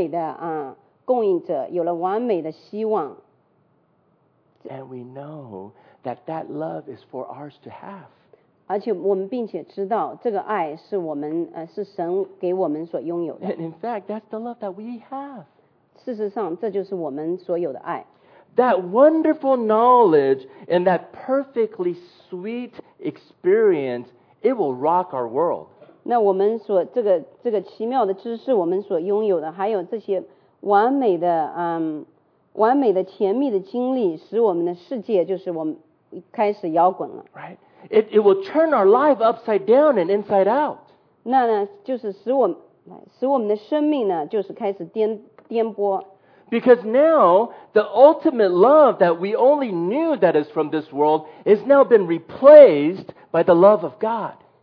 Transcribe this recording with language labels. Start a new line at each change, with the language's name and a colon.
Chinese: 我们知道我们现在有了一个完美的供应者，有了完美的希望。
English: And we know that that love is for ours to have.
Chinese: 而且我们并且知道这个爱是神给我们所拥有的。
English: And in fact, that's the love that we have.
Chinese: 事实上，这就是我们所有的爱。
English: That wonderful knowledge and that perfectly sweet experience, it will rock our world.
Chinese: 那我们所这个奇妙的知识，我们所拥有的，还有这些完美的甜蜜的经历，使我们的世界就是我们开始摇滚了。
English: Right, it will turn our life upside down and inside out.
Chinese: 那呢，就是使我们的生命呢，就是开始颠簸。
English: Because now the ultimate love that we only knew that is from this world is now been replaced by the love of God.